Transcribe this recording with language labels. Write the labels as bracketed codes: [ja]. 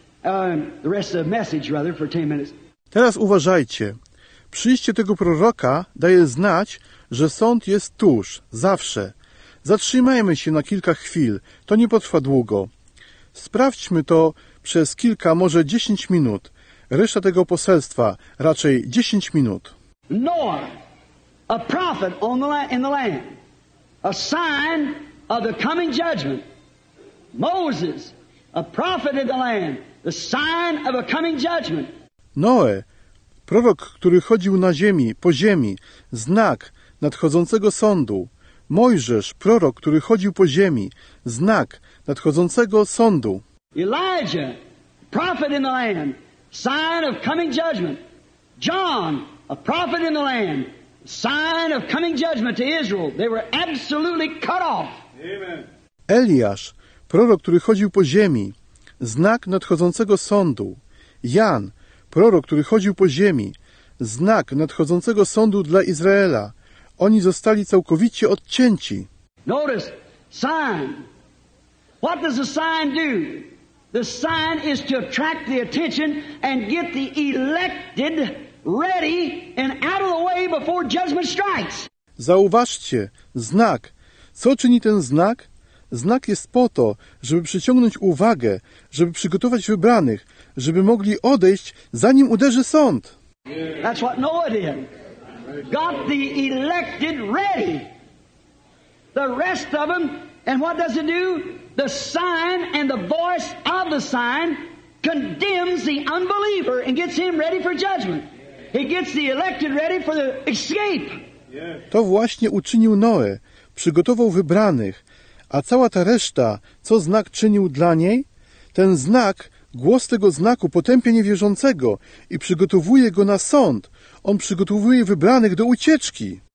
[en] The rest of the message rather for 10 minutes. [pl] Teraz uważajcie. Przyjście tego proroka daje znać, że sąd jest tuż, zawsze. Zatrzymajmy się na kilka chwil, to nie potrwa długo. Sprawdźmy to przez kilka, może 10 minut. Reszta tego poselstwa, raczej 10 minut. [en] Noah, a prophet on the in the land, a sign of the coming judgment. Moses, a prophet in the land, the sign of a coming judgment. [pl] Noe, prorok, który chodził na ziemi, po ziemi, znak nadchodzącego sądu. Mojżesz, prorok, który chodził po ziemi, znak nadchodzącego sądu. [en] Elijah, prophet in the land, sign of coming judgment. John, a prophet in the land, sign of coming judgment to Israel. They were absolutely cut off. [pl] Eliasz, prorok, który chodził po ziemi, znak nadchodzącego sądu. Jan, prorok, który chodził po ziemi, znak nadchodzącego sądu dla Izraela. Oni zostali całkowicie odcięci. [en] Notice, sign. What does the sign do? The sign is to attract the attention and get the elected ready and out of the way before judgment strikes. [pl] Zauważcie, znak. Co czyni ten znak? Znak jest po to, żeby przyciągnąć uwagę, żeby przygotować wybranych, żeby mogli odejść, zanim uderzy sąd. [en] That's what Noah did. Got the elected ready. The rest of them, and what does it do? The sign and the voice of the sign condemns the unbeliever and gets him ready for judgment. It gets the elected ready for the escape. [pl] To właśnie uczynił Noe. Przygotował wybranych. A cała ta reszta, co znak czynił dla niej? Ten znak, głos tego znaku potępia niewierzącego i przygotowuje go na sąd. On przygotowuje wybranych do ucieczki.